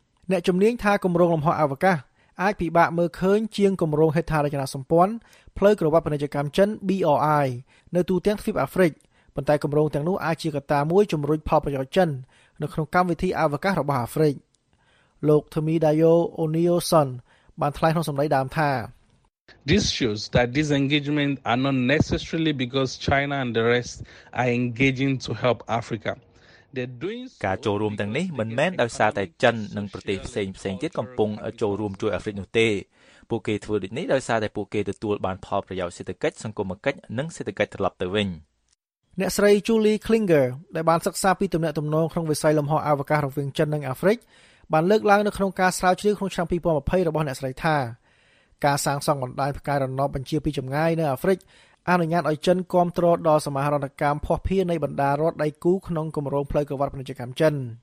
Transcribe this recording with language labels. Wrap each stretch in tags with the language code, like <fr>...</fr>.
<km>អ្នកជំនាញថាគម្រោងលំហអវកាសអាចពិបាកមើលឃើញជាងគម្រោងហេដ្ឋារចនាសម្ព័ន្ធផ្លូវក្រវ៉ាត់ពាណិជ្ជកម្មចិន BRI នៅទូទាំងទ្វីបអាហ្វ្រិកប៉ុន្តែគម្រោងទាំងនោះអាចជាកត្តាមួយជំរុញផលប្រយោជន៍ចិននៅក្នុងកម្មវិធីអវកាសរបស់អាហ្វ្រិកលោកធមីដាយូអូនីយ៉ូសុនបានថ្លែងក្នុងសម្ដីដើមថា</km> <en>This shows that these engagements are not necessarily because China and the rest are engaging to help Africa. They're doing so.</en> <km>ការចូលរួមទាំងនេះមិនមែនដោយសារតែចិននិងប្រទេសផ្សេងផ្សេងទៀតកំពុងចូលរួមជួយអាហ្វ្រិកនោះទេ។ពួកគេធ្វើដូចនេះដោយសារតែពួកគេទទួលបានផលប្រយោជន៍សេដ្ឋកិច្ចសង្គមគិច្ចនិងសេដ្ឋកិច្ចត្រឡប់ទៅវិញ ។អ្នកស្រី Julie Klinger ដែលបានសិក្សាពីទំនាក់ទំនងក្នុងវិស័យលំហអវកាសរវាងចិននិងអាហ្វ្រិកបានលើកឡើងនៅក្នុងការស្រាវជ្រាវក្នុងឆ្នាំ2020របស់អ្នកស្រីថាការសាងសង់បណ្ដាញផ្កាយរណបបញ្ជាពីចម្ងាយនៅអាហ្វ្រិកអនុញ្ញាតឲ្យចិនគាំទ្រដល់សមាហរណកម្មភោះភៀនៃបណ្ដារដ្ឋដៃគូក្នុងគម្រោងផ្លូវកវ៉ាត់ពាណិជ្ជកម្មចិន</km>